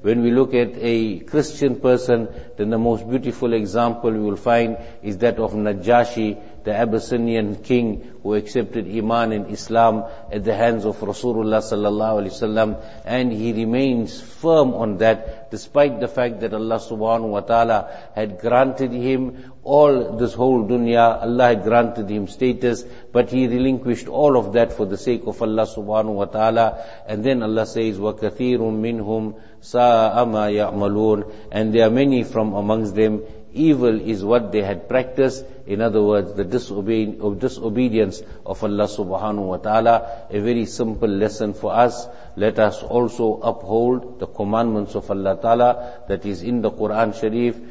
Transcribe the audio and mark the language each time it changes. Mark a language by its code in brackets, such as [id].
[en] When we look at a Christian person, then the most beautiful example we will find is that of Najashi, the Abyssinian king who accepted iman and Islam at the hands of Rasulullah sallallahu alaihi wasallam, and he remains firm on that despite the fact that Allah subhanahu wa ta'ala had granted him all this whole dunya, Allah had granted him status, but he relinquished all of that for the sake of Allah subhanahu wa ta'ala. And then Allah says, [ar] وَكَثِيرٌ مِّنْهُمْ سَاءَ مَا يَعْمَلُونَ. [en] And there are many from amongst them, evil is what they had practiced. In other words, the disobedience of Allah subhanahu wa ta'ala. A very simple lesson for us. Let us also uphold the commandments of Allah ta'ala that is in the Quran Sharif.